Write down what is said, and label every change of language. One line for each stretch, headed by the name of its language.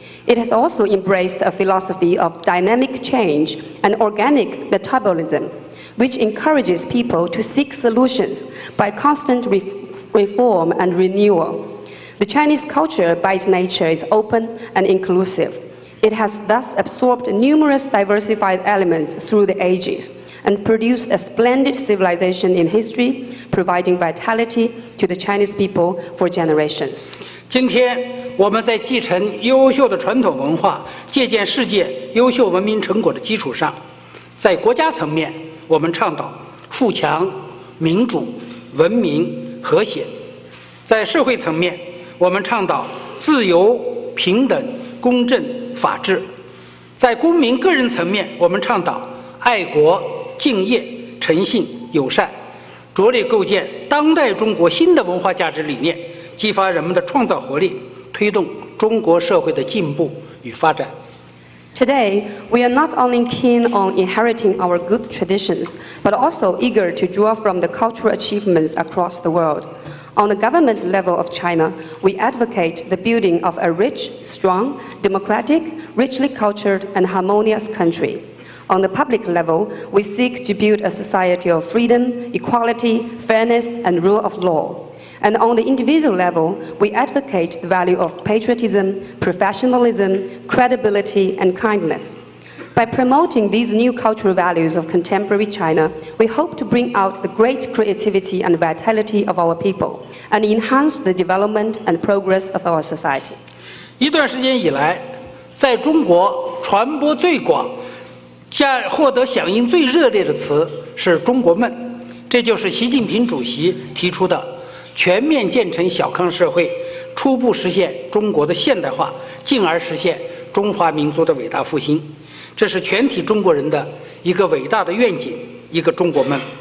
English: It has also embraced a philosophy of dynamic change and organic metabolism, which encourages people to seek solutions by constant reform and renewal. The Chinese culture, by its nature, is open and inclusive. It has thus absorbed numerous diversified elements through the ages and produced a splendid civilization in history, providing vitality to the Chinese people for generations.
Chinese: 今天我们在继承优秀的传统文化、借鉴世界优秀文明成果的基础上，在国家层面，我们倡导富强、民主、文明、和谐； 在社会层面，我们倡导自由、平等、公正、法治；在公民个人层面，我们倡导爱国、敬业、诚信、友善，着力构建当代中国新的文化价值理念，激发人们的创造活力，推动中国社会的进步与发展。
English: Today, we are not only keen on inheriting our good traditions, but also eager to draw from the cultural achievements across the world. On the government level of China, we advocate the building of a rich, strong, democratic, richly cultured, and harmonious country. On the public level, we seek to build a society of freedom, equality, fairness, and rule of law. And on the individual level, we advocate the value of patriotism, professionalism, credibility, and kindness. By promoting these new cultural values of contemporary China, we hope to bring out the great creativity and vitality of our people, and enhance the development and progress of our society.
Chinese: 一段时间以来，在中国传播最广、获得响应最热烈的词是“中国梦”，这就是习近平主席提出的。全面建成小康社会，初步实现中国的现代化，进而实现中华民族的伟大复兴，这是全体中国人的一个伟大的愿景，一个中国梦。